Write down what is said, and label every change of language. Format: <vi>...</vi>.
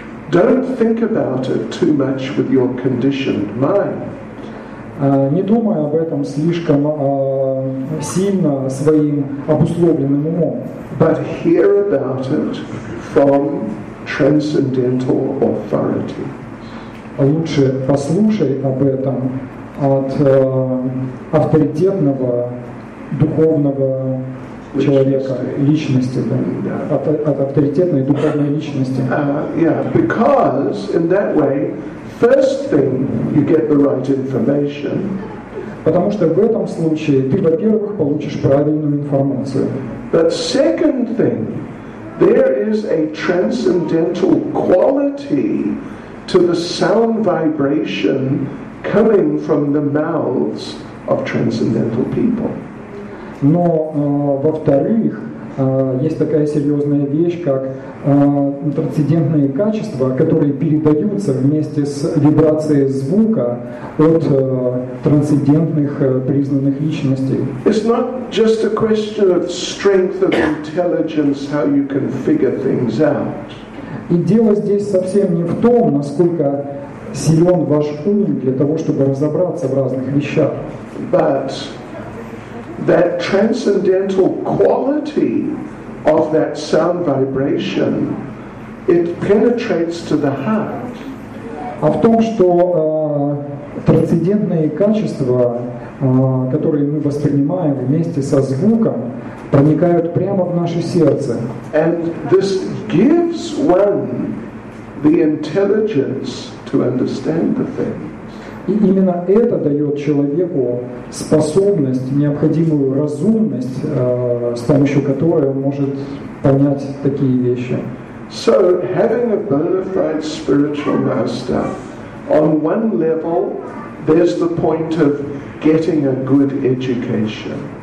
<en>Don't think about it too much with your conditioned mind.</en> <ru>Не думай об этом слишком сильно своим обусловленным умом.</ru> <en>But hear about it from transcendental authority.</en> <ru>Лучше послушай об этом от авторитетного духовного человека, личности, да? От авторитетной духовной личности.</ru> <en>Because in that way, first thing you get the right information.</en> <ru>Потому что в этом случае ты, во-первых, получишь правильную информацию.</ru> <en>But second thing, there is a transcendental quality to the sound vibration coming from the mouths of transcendental people.</en> <ru>Но, во-вторых, есть такая серьезная вещь, как трансцендентные качества, которые передаются вместе с вибрацией звука от трансцендентных признанных личностей.</ru> <en>It's not just a question of strength of intelligence, how you can figure things out.</en> <ru>И дело здесь совсем не в том, насколько силен ваш ум для того, чтобы разобраться в разных вещах.</ru> <en>But that transcendental quality of that sound vibration, it penetrates to the heart.</en> <ru>А в том, что трансцендентные качества, которые мы воспринимаем вместе со звуком, проникают прямо в наше сердце.</ru> <en>And this gives one the intelligence to understand the thing.</en> <ru>И именно это дает человеку способность, необходимую разумность, с помощью которой он может понять такие вещи.</ru> <en>So, having a bona fide spiritual master, on one level, there's the point of getting a good education.</en>